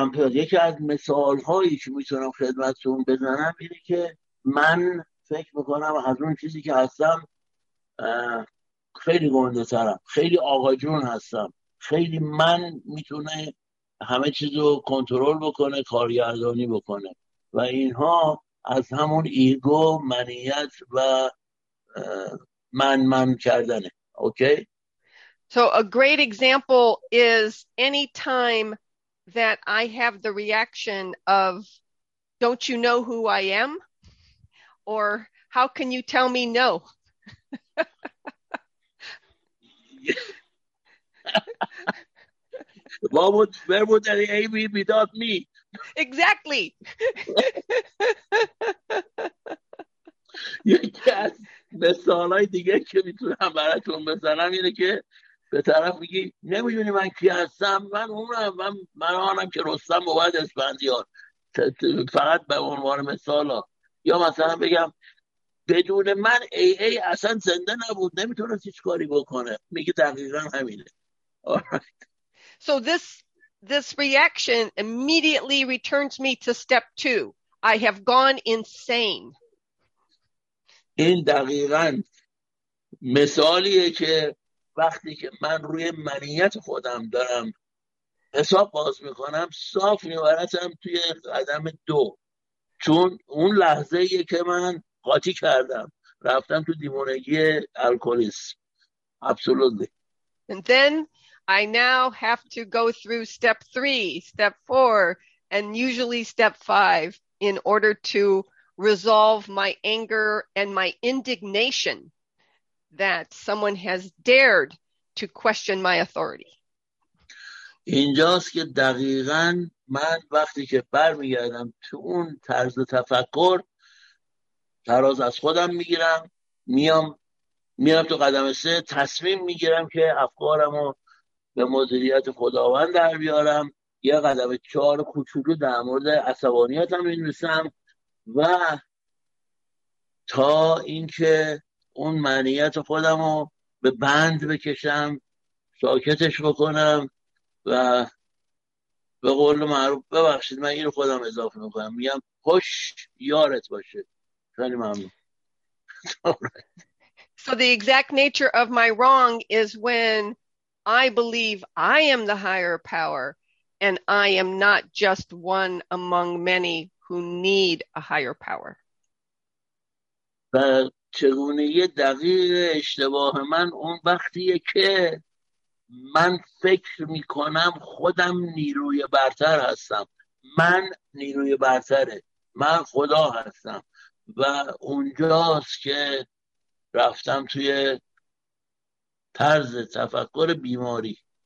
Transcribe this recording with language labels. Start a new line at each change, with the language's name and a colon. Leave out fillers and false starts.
Persian: یکی از مثال هایی که میتونم خدمتتون بزنم اینه که من فکر میکنم از اون چیزی که هستم خیلی گنده ترم، خیلی آقا جون هستم، خیلی من میتونه همه چیزو کنترل بکنه، کارگردانی بکنه و اینها از همون ایگو، منیت و من کردنه. اوکی؟
English: So a great example is any time that I have the reaction of don't you know who I am? Or how can you tell me no? What would, where would any A be without me? Exactly.
Persian: یکی از مثال های دیگه که میتونم براتون بزنم اینه که به طرف میگی نمیدونی من کی هستم، من عمرم من آنم که رستم بود اسفندیار، فقط به عنوان مثال ها. یا مثلا بگم بدون من ای اصلا زنده نبود، نمیتونست هیچ کاری بکنه. میگه دقیقا همینه.
English: So this reaction immediately returns me to step two. I have gone insane.
Persian: این دقیقاً مثالیه که وقتی که من روی منیت خودم دارم حساب باز میکنم، صاف میبرتم توی قدم دو، چون اون لحظه ایه که من قاطی کردم، رفتم تو دیوانگی الکلیسم.
English: Absolutely. And then I now have to go through step three, step four, and usually step five in order to resolve my anger and my indignation that someone has dared to question my authority.
Persian: اینجاست که دقیقاً من وقتی که برمیگردم تو اون طرز تفکر، تراز از خودم میگیرم، میام تو قدم سه، تصمیم میگیرم که افکارمو به مدیریت خداوند در بیارم. یه قدم چهار کوچولو در مورد عصبانیتم می‌نویسم و تا اینکه اون منیت خودمو به بند بکشم، ساکتش بکنم و به قول معروف، ببخشید من اینو خودم اضافه میکنم، میگم خوش یارت باشه. خیلی ممنون.
English: So the exact nature of my wrong is when I believe I am the higher power and I am not just one among many who need a higher power.
Persian: و چگونگی دقیق اشتباه من اون وقتیه که من فکر میکنم خودم نیروی برتر هستم. من نیروی برتره. من خدا هستم. و اونجاست که رفتم توی طرز تفکر بیماری.